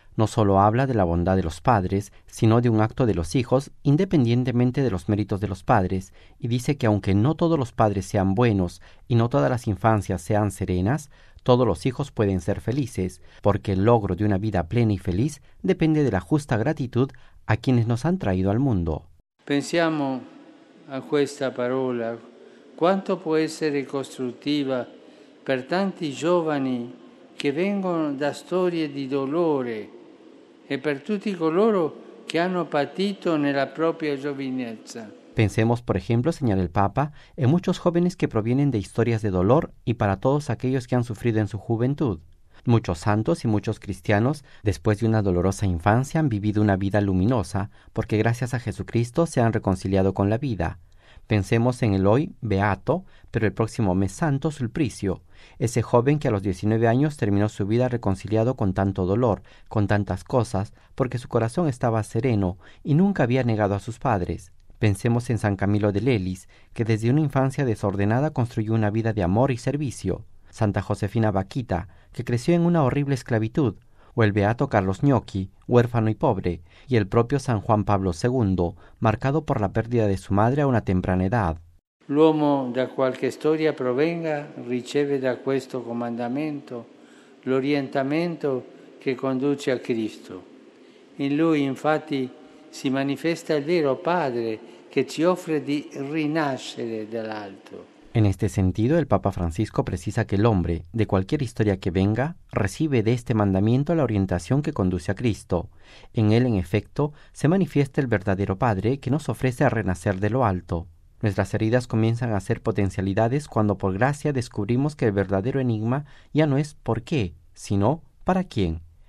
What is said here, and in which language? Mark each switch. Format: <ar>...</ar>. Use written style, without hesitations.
<es>No solo habla de la bondad de los padres, sino de un acto de los hijos, independientemente de los méritos de los padres, y dice que aunque no todos los padres sean buenos y no todas las infancias sean serenas, todos los hijos pueden ser felices, porque el logro de una vida plena y feliz depende de la justa gratitud a quienes nos han traído al mundo.</es> <it>Pensiamo a questa parola, quanto può essere costruttiva per tanti giovani che vengono da storie di dolore e per tutti coloro che hanno patito nella propria giovinezza.</it> <es>Pensemos, por ejemplo, señala el Papa, en muchos jóvenes que provienen de historias de dolor y para todos aquellos que han sufrido en su juventud. Muchos santos y muchos cristianos, después de una dolorosa infancia, han vivido una vida luminosa, porque gracias a Jesucristo se han reconciliado con la vida. Pensemos en el hoy beato, pero el próximo mes santo, Sulpicio, ese joven que a los 19 años terminó su vida reconciliado con tanto dolor, con tantas cosas, porque su corazón estaba sereno y nunca había negado a sus padres. Pensemos en San Camilo de Lelis, que desde una infancia desordenada construyó una vida de amor y servicio. Santa Josefina Vaquita, que creció en una horrible esclavitud, o el beato Carlos Gnocchi, huérfano y pobre, y el propio San Juan Pablo II, marcado por la pérdida de su madre a una temprana edad.</es> <it>L'uomo da qualche storia provenga riceve da questo comandamento l'orientamento che conduce a Cristo. In lui, infatti, si manifesta il vero padre che ci offre di rinascere dall'alto.</it> <es>En este sentido, el Papa Francisco precisa que el hombre, de cualquier historia que venga, recibe de este mandamiento la orientación que conduce a Cristo. En él, en efecto, se manifiesta el verdadero Padre que nos ofrece a renacer de lo alto. Nuestras heridas comienzan a ser potencialidades cuando por gracia descubrimos que el verdadero enigma ya no es por qué, sino para quién.</es>